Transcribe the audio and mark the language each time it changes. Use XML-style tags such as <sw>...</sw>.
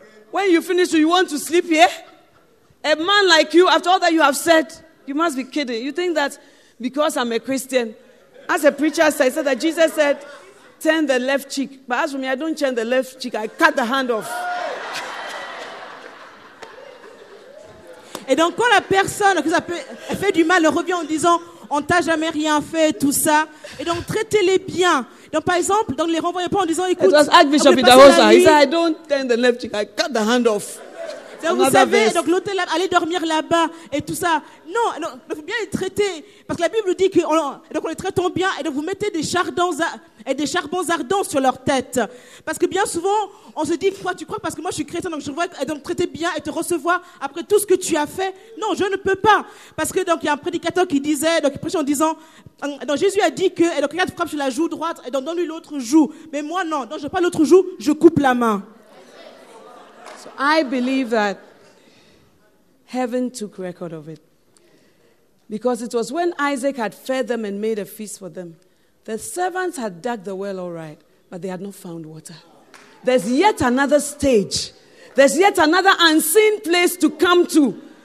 <en>When you finish, you want to sleep here? Eh? A man like you, after all that you have said, you must be kidding. You think that because I'm a Christian, as a preacher, I said that Jesus said, turn the left cheek. But as for me, I don't turn the left cheek. I cut the hand off.</en> <fr>Et donc, quand la personne que ça peut, fait du mal, revient en disant, on t'a jamais rien fait, tout ça. Et donc, traitez-les bien. Donc, par exemple, donc les renvoyez pas en disant, écoute,</fr> <en>Archbishop Idahosa, he said, I don't turn the left cheek. I cut the hand off.</en> <fr>Donc vous savez, donc l'hôtel allait dormir là-bas et tout ça. Non, il faut bien les traiter. Parce que la Bible dit que donc on les traite bien et donc vous mettez des charbons ardents sur leur tête. Parce que bien souvent, on se dit, quoi, tu crois, parce que moi je suis chrétien, donc je vois et donc traiter bien et te recevoir après tout ce que tu as fait. Non, je ne peux pas. Parce que donc il y a un prédicateur qui disait, donc il prêchait en disant, donc Jésus a dit que, et donc quelqu'un te frappe sur la joue droite et donc donne-lui l'autre joue. Mais moi non, donc je n'ai pas l'autre joue, je coupe la main.</fr> <en>I believe that heaven took record of it. Because it was when Isaac had fed them and made a feast for them. The servants had dug the well all right, but they had not found water. There's yet another stage. There's yet another unseen place to come to.</en>